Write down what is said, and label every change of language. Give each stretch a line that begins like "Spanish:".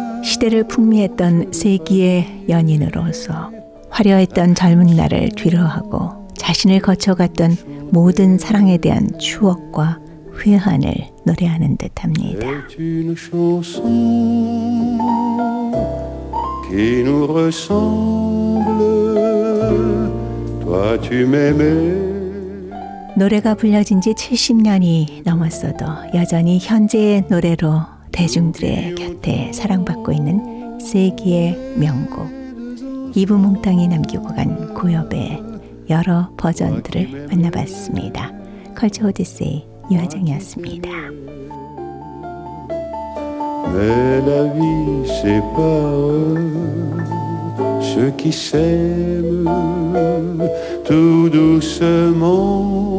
Korean: 시대를 풍미했던 세기의 연인으로서 화려했던 젊은 날을 뒤로하고 자신을 거쳐갔던 모든 사랑에 대한 추억과 회한을 노래하는 듯합니다.
French: C'est une chanson qui nous ressemble. Toi, tu m'aimais.
Korean: 노래가 불려진 지 70년이 넘었어도 여전히 현재의 노래로 대중들의 곁에 사랑받고 있는 세기의 명곡 이브 몽땅이 남기고 간 고엽의 여러 버전들을 만나봤습니다. 컬처 오디세이 유아정이었습니다.
French: Mais la vie sépare ceux qui s'aiment tout doucement